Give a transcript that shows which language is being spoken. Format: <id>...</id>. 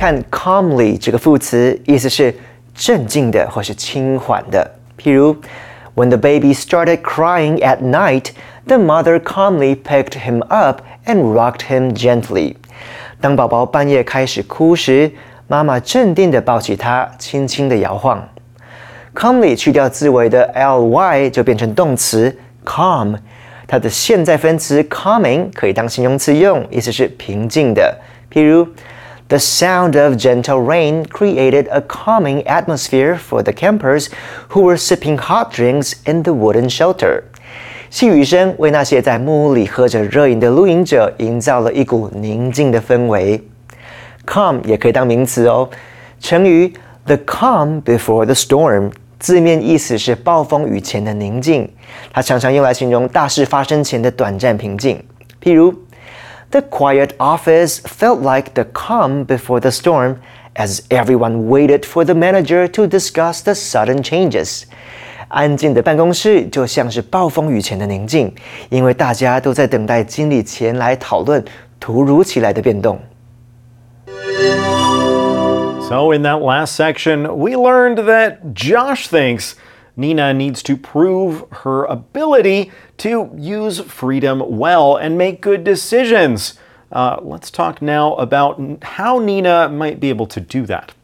<zh>Calmly 这个副词意思是镇静的或是轻缓的。譬如</zh> <en>When the baby started crying at night, the mother calmly picked him up and rocked him gently.</en> <zh>当宝宝半夜开始哭时，妈妈镇定地抱起他，轻轻地摇晃。 Calmly 去掉字尾的 ly 就变成动词 calm。它的现在分词 calming 可以当形容词用，意思是平静的。譬如</zh> <en>The sound of gentle rain created a calming atmosphere for the campers who were sipping hot drinks in the wooden shelter.</en> <zh>细雨声为那些在木屋里喝着热饮的露营者营造了一股宁静的氛围。 Calm 也可以当名词哦。成语</zh> <en>The calm before the storm</en> <zh>字面意思是暴风雨前的宁静，它常常用来形容大事发生前的短暂平静。譬如</zh> <en>The quiet office felt like the calm before the storm as everyone waited for the manager to discuss the sudden changes.</en> <zh>安静的办公室就像是暴风雨前的宁静，因为大家都在等待经理前来讨论突如其来的变动。</zh> <en>So in that last section, we learned that Josh thinks Nina needs to prove her ability to use freedom well and make good decisions. Let's talk now about how Nina might be able to do that.</en>